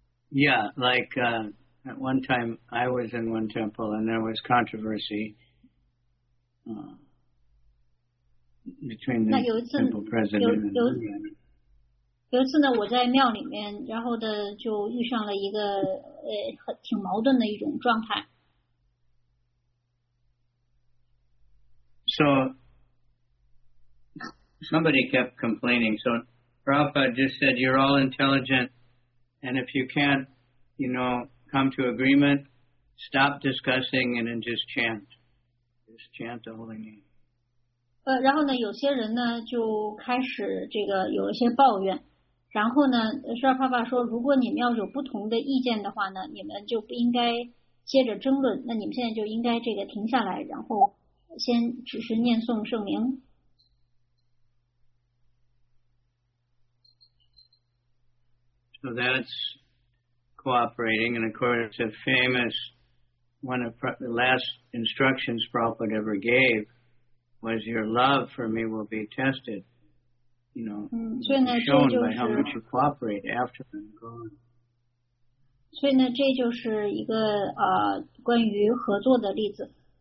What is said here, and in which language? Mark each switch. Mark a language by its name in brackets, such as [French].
[English] Yeah, like at one time I was in one temple and there was controversy between the temple president and the leader. [Chinese] 有一次呢，我在庙里面，然后的就遇上了一个挺矛盾的一种状态。 [English] So, somebody kept complaining. So, Prabhupada just said, you're all intelligent, and if you can't, you know, come to agreement, stop discussing and then just chant. Just chant the holy name. [Chinese] 然后呢，有些人呢，就开始这个有一些抱怨。然后呢，释迦牟尼佛说，如果你们要有不同的意见的话呢，你们就不应该接着争论。那你们现在就应该这个停下来，然后先只是念诵圣名。 [English] So that's cooperating, and of course, a famous one of the last instructions Prabhupada ever gave was your love for me will be tested. You know, shown by how much you cooperate after I'm gone. [Chinese] 所以呢，这就是一个关于合作的例子。